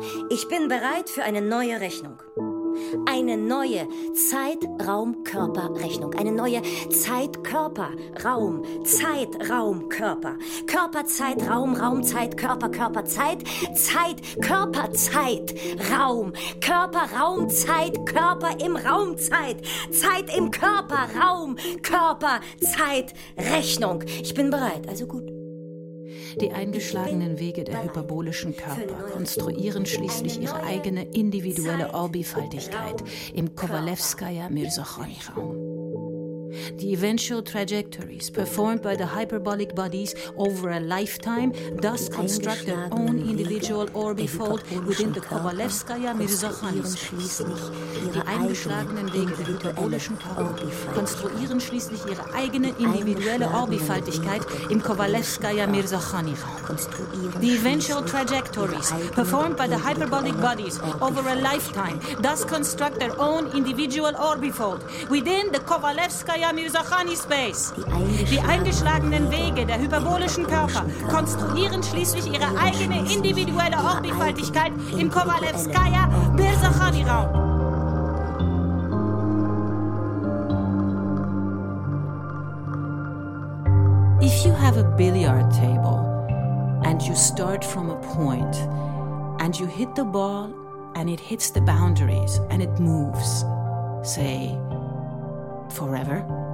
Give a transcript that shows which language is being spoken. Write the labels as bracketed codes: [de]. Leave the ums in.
[de] Ich bin bereit für eine neue Rechnung eine neue Zeitraumkörperrechnung, eine neue Zeitkörperraum, Zeitraumkörper, Körperzeitraum, Raumzeit, Körper, Körperzeit, Raum, Zeit, Körperzeit, Raum, Körper, Raumzeit, Körper, Raum, Raum, Körper, Körper, Körper im Raumzeit, Zeit im Körper, Raum, Körperzeitrechnung. Ich bin bereit, also gut. Die eingeschlagenen Wege der hyperbolischen Körper konstruieren schließlich ihre eigene individuelle Orbifaltigkeit im Kowalewskaja-Mirsochoni-Raum. [en] Die eventual trajectories performed by the hyperbolic bodies over a lifetime thus construct their own individual orbifold within the Kovalevskaya Mirzakhanis. [de] Die eingeschlagenen Wege der hyperbolischen Körper konstruieren schließlich ihre eigene individuelle Orbifaltigkeit im Kovalevskaya Mirzakhani. [en] The eventual trajectories performed by the hyperbolic bodies over a lifetime thus construct their own individual orbifold within the Kovalevskaya Yamizakhani-Space. [de] Die eingeschlagenen Wege der hyperbolischen Körper konstruieren schließlich ihre eigene individuelle Orbifaltigkeit im kovalevskaya birzakhani raum [en] If you have a billiard table and you start from a point and you hit the ball and it hits the boundaries and it moves, say, forever.